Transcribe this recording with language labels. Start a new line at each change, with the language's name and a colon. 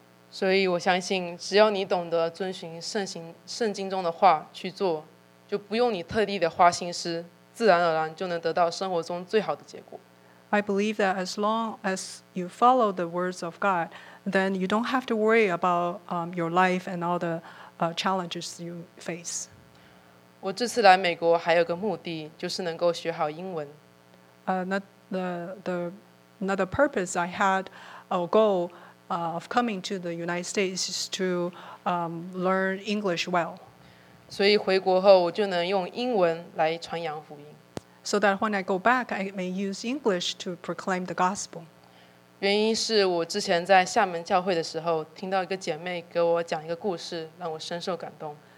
Chinese: 所以我相信，只要你懂得遵循圣经中的话去做，就不用你特地的花心思，自然而然就能得到生活中最好的结果。
English: I believe that as long as you follow the words of God, then you don't have to worry about your life and all the challenges you face.
Chinese: 我这次来美国还有个目的，就是能够学好英文。
English: Another purpose I had, a goal of coming to the United States is to learn English well.
Chinese: 所以回国后我就能用英文来传扬福音。
English: So that when I go back, I may use English to proclaim the gospel.
Chinese: 原因是我之前在厦门教会的时候，听到一个姐妹给我讲一个故事，让我深受感动。